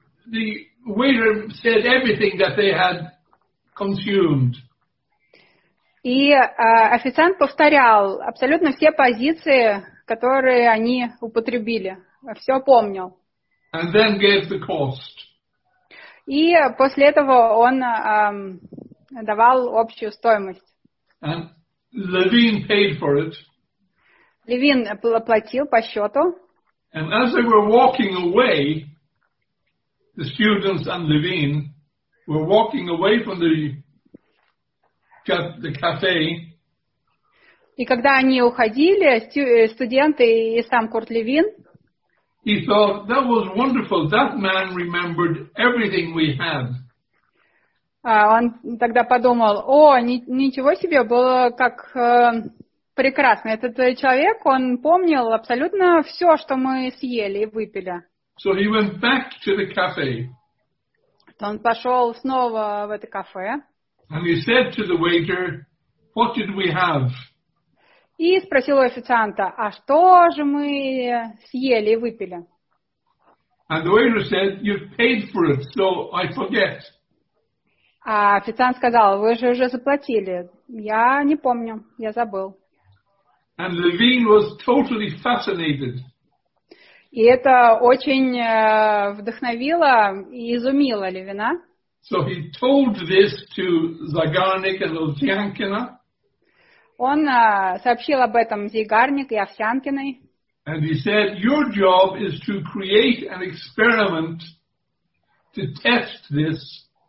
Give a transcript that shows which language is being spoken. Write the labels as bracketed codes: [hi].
[en] The waiter said everything that they had consumed. [ru] И официант повторял абсолютно все позиции, которые они употребили. Все помнил. [en] And then gave the cost. [ru] И после этого он давал общую стоимость. [en] Levine paid for it. [ru] Левин оплатил по счету. [en] And as they were walking away, the students and Levine were walking away from the cafe. [ru] И когда они уходили, студенты и сам Курт Левин, [en] he thought, that was wonderful. That man remembered everything we had. [ru] Он тогда подумал, о, ничего себе, было как прекрасно. Этот человек, он помнил абсолютно все, что мы съели и выпили. [en] So he went back to the cafe. [ru] Он пошел снова в это кафе. [en] And he said to the waiter, what did we have? [ru] И спросил у официанта, а что же мы съели и выпили? [en] And the waiter said, you've paid for it, so I forget. [ru] А официант сказал, вы же уже заплатили. Я не помню, я забыл. [en] And Levine was totally fascinated. [ru] И это очень вдохновило и изумило Левина. [en] So he told this to Zagarnik and Ovsyankina. [ru] Он сообщил об этом Зигарник и Овсянкиной. [en] And he said, your job is to create an experiment to test this.